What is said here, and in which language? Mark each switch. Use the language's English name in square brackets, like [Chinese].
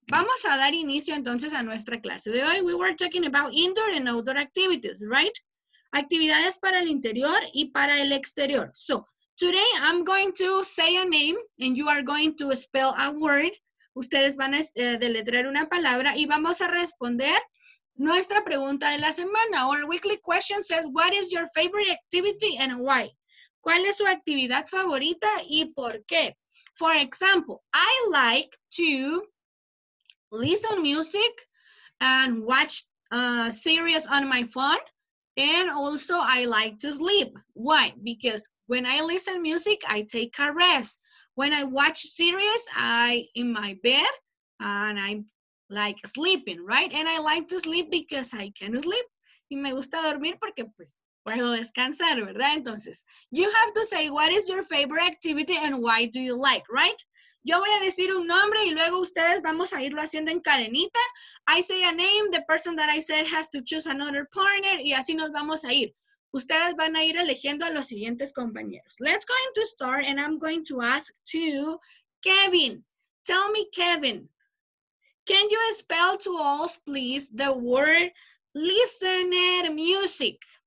[Spanish] Vamos a dar inicio entonces a nuestra clase de hoy. [English] We were talking about indoor and outdoor activities, right? [Spanish] Actividades para el interior y para el exterior. [English] So, today I'm going to say a name and you are going to spell a word. [Spanish] Ustedes van a deletrear una palabra y vamos a responder nuestra pregunta de la semana. [English] Our weekly question says, what is your favorite activity and why? [Spanish] ¿Cuál es su actividad favorita y por qué? [English] For example, I like to listen music and watch series on my phone. And also I like to sleep. Why? Because when I listen music, I take a rest. When I watch series, I in my bed and I'm like sleeping, right? And I like to sleep because I can sleep. [Spanish] Y me gusta dormir porque pues puedo descansar, ¿verdad? [English] Entonces, you have to say what is your favorite activity and why do you like, right? [Spanish] Yo voy a decir un nombre y luego ustedes vamos a irlo haciendo en cadenita. [English] I say a name, the person that I said has to choose another partner [Spanish] y así nos vamos a ir. Ustedes van a ir eligiendo a los siguientes compañeros. [English] Let's go into start and I'm going to ask to Kevin. Tell me, Kevin, can you spell to us, please, the word listener music?